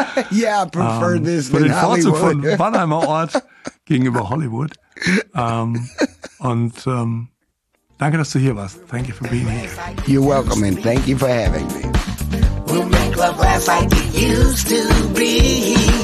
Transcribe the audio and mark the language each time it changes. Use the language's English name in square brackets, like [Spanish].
[English] Yeah, I prefer this than Hollywood. [German] Für den Vorzug von Wannheimer Ort gegenüber Hollywood. Danke, dass du hier warst. [English] Thank you for being here. You're welcome and thank you for having me. We'll make love last like it used to be.